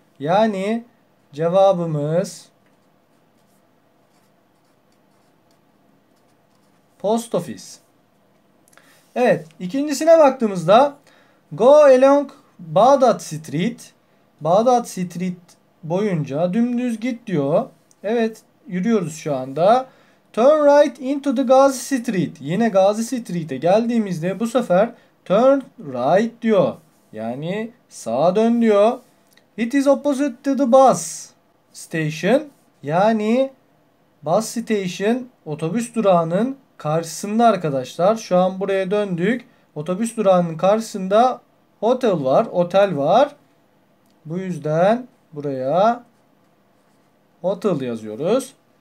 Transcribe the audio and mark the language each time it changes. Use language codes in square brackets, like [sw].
[tr] Yani cevabımız post office. Evet, ikincisine baktığımızda [en] go along Bağdat Street. [tr] Bağdat Street boyunca dümdüz git diyor. Evet, yürüyoruz şu anda. [en] Turn right into the Gazi Street. [tr] Yine Gazi Street'e geldiğimizde bu sefer turn right diyor. Yani sağa dön diyor. [en] It is opposite to the bus station. [tr] Yani bus station otobüs durağının karşısında arkadaşlar. Şu an buraya döndük. Otobüs durağının karşısında hotel var. Otel var. Bu yüzden buraya hotel yazıyoruz.